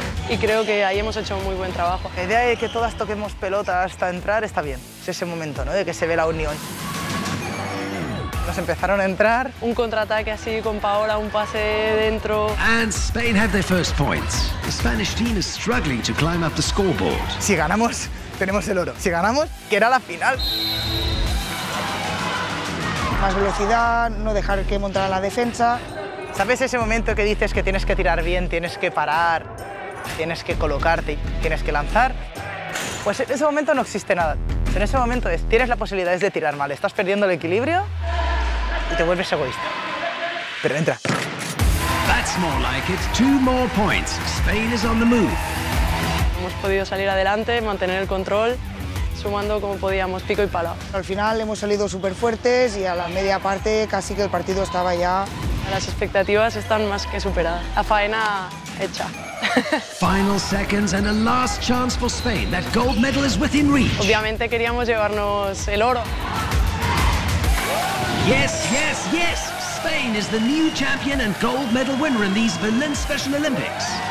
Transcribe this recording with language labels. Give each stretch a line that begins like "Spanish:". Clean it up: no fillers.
Spanish: Y creo que ahí hemos hecho un muy buen trabajo. La idea de que todas toquemos pelota hasta entrar está bien. Es ese momento, ¿no?, de que se ve la unión. Nos empezaron a entrar. Un contraataque así con Paola, un pase dentro.
English: And Spain had their first points. The Spanish team is struggling to climb up the scoreboard.
Spanish: Si ganamos, tenemos el oro. Si ganamos, que era la final. Más velocidad, no dejar que montara la defensa. ¿Sabes ese momento que dices que tienes que tirar bien, tienes que parar, tienes que colocarte, tienes que lanzar? Pues en ese momento no existe nada. En ese momento tienes la posibilidad de tirar mal, estás perdiendo el equilibrio y te vuelves egoísta. Pero entra.
English: That's more like it. 2 more points. Spain is on the move.
Spanish: Hemos podido salir adelante, mantener el control, sumando como podíamos, pico y pala. Al final hemos salido súper fuertes y a la media parte casi que el partido estaba ya. Las expectativas están más que superadas. La faena hecha.
English: Final seconds and a last chance for Spain. That gold medal is within reach.
Spanish: Obviamente queríamos llevarnos el oro.
English: Yes, yes, yes. Spain is the new champion and gold medal winner in these Berlin Special Olympics.